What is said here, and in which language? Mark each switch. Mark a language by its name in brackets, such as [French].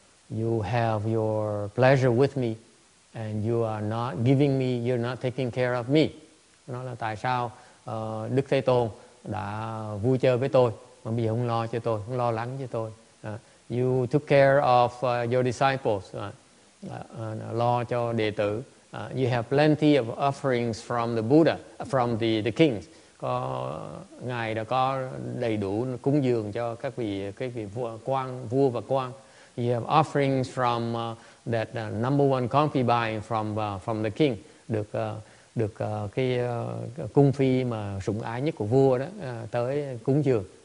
[English] You have your pleasure with me, and you are not giving me, you're not taking care of me. [Vietnamese] Nói là tại sao Đức Thế Tôn đã vui chơi với tôi mà bây giờ không lo cho tôi, không lo lắng cho tôi. [English] You took care of your disciples, [Vietnamese] lo cho đệ tử. [English] You have plenty of offerings from the Buddha, from the kings. [Vietnamese] Có ngài đã có đầy đủ cúng dường cho các vị vua và quan. [English] You have offerings from that number one concubine from the king. [Vietnamese] Được cung phi mà sủng ái nhất của vua đó tới cúng dường.